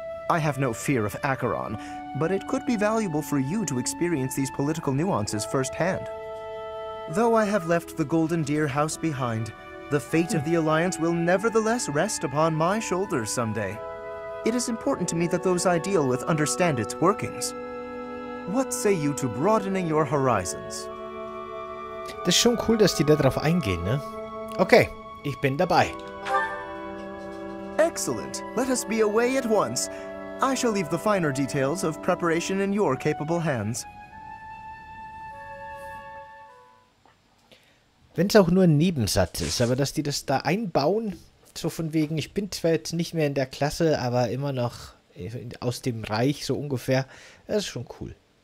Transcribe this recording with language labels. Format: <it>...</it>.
<en>I have no fear of Acheron, but it could be valuable for you to experience these political nuances firsthand. Though I have left the Golden Deer House behind, the fate of the Alliance will nevertheless rest upon my shoulders someday. It is important to me that those I deal with understand its workings. What say you to broadening your horizons?</en> <de>Das ist schon cool, dass die da drauf eingehen, ne? Okay, ich bin dabei.</de> <en>Excellent. Let us be away at once. I shall leave the finer details of preparation in your capable hands.</en> <de>Wenn es auch nur ein Nebensatz ist, aber dass die das da einbauen, so von wegen, ich bin zwar jetzt nicht mehr in der Klasse, aber immer noch aus dem Reich, so ungefähr, das ist schon cool.</de>